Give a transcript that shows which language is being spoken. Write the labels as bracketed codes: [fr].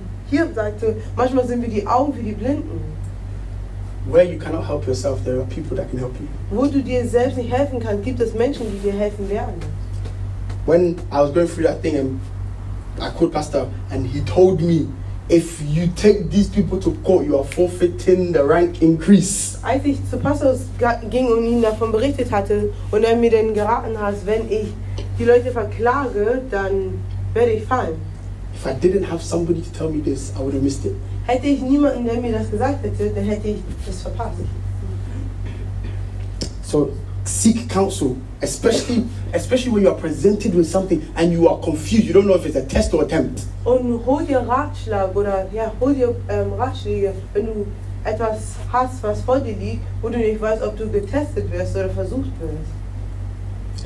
[de] Hiob sagte, manchmal sind wir die Augen für die Blinden. [en] Where you cannot help yourself, there are people that can help you. [de] Wo du dir selbst nicht helfen kannst, gibt es Menschen, die dir helfen werden. [en] When I was going through that thing, I called Pastor and he told me, if you take these people to court, you are forfeiting the rank increase. [de] Als ich zu Pastor ging und ihn davon berichtet hatte und er mir dann geraten hat, wenn ich die Leute verklage, dann werde ich fallen. [en] If I didn't have somebody to tell me this, I would have missed it. [de] Hätte ich niemanden, der mir das gesagt hätte, dann hätte ich das verpasst. [en] So seek counsel, especially when you are presented with something and you are confused. You don't know if it's a test or attempt. [de] Und hol dir Ratschlag oder ja, hol dir Ratschläge, wenn du etwas hast, was vor dir liegt, wo du nicht weißt, ob du getestet wirst oder versucht wirst.